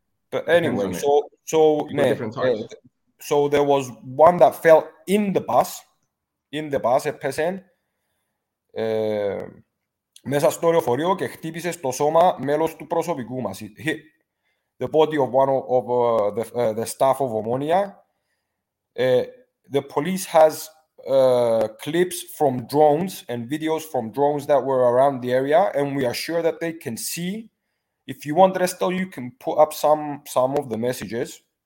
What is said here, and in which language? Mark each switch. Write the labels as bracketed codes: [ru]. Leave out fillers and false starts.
[en] But anyway, so there was one that fell in the bus, a person. [el] Μέσα στο λεωφορείο και χτύπησε στο σώμα μέλος του προσωπικού μας. [en] Hit the body of one of the staff of Omonoia. The police has clips from drones and videos from drones that were around the area, and we are sure that they can see. If you want, Restel, you can put up some of the messages.